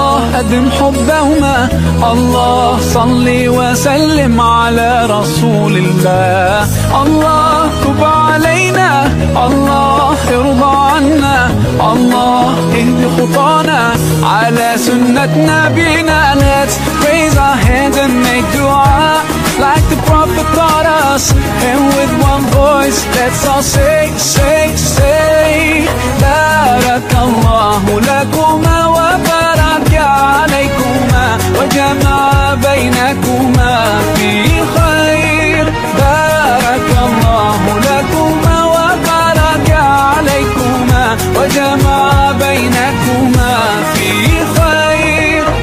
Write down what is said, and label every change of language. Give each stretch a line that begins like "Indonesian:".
Arabic: الله صلي وسلم على رسول الله. الله كب علينا. الله ارضى عنا. الله اهدي خطانا على سنة نبينا.
English: Let's raise our hands and make dua like the Prophet taught us. And with one voice, let's all say, say, say,
Arabic: بارك الله لكما وبارك عليكما وجمع بينكما في خير. بارك الله لكما وبارك عليكما وجمع بينكما في خير.